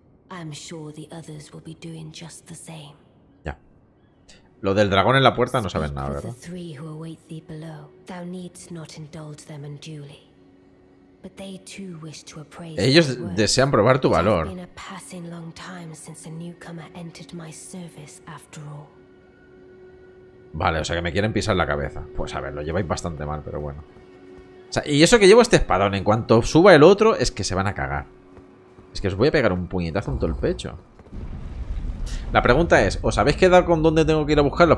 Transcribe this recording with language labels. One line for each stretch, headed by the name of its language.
English: I'm sure the others will be doing just the same.
Spanish: Ya. Lo del dragón en la puerta no sabes nada, ¿verdad?
English: Three who await thee below. Thou needst not indulge them unduly. But they too wish to appraise.
Spanish: Ellos desean probar tu valor.
English: It's been a passing long time since a newcomer entered my service, after all.
Spanish: Vale, o sea que me quieren pisar la cabeza. Pues a ver, lo lleváis bastante mal, pero bueno. O sea, y eso que llevo este espadón, en cuanto suba el otro, es que se van a cagar. Es que os voy a pegar un puñetazo en todo el pecho. La pregunta es, ¿os habéis quedado con dónde tengo que ir a buscarlos?